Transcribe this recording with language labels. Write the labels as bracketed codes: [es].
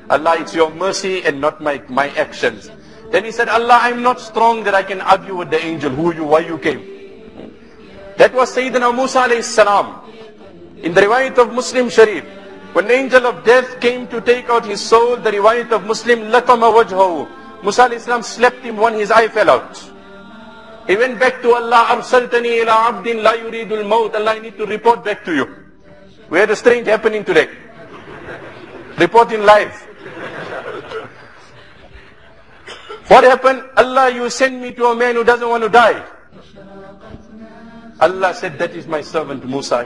[en] Allah, it's your mercy and not my actions. Then he said, Allah, I'm not strong that I can argue with the angel. Who you? Why you came? That was Sayyidina Musa alayhi salam. In the riwayat of Muslim Sharif, when the angel of death came to take out his soul, the riwayat of Muslim, [ar] لَقَمَ وَجْهَهُ. [en] Musa alayhi salam slapped him when his eye fell out. He went back to Allah, [ar] أَرْسَلْتَنِي إِلَىٰ عَبْدٍ لَا يُرِيدُ الْمَوْتِ. [en] Allah, I need to report back to you. We had a strange happening today. Reporting live. What happened? Allah, you send me to a man who doesn't want to die. Allah said, that is my servant Musa.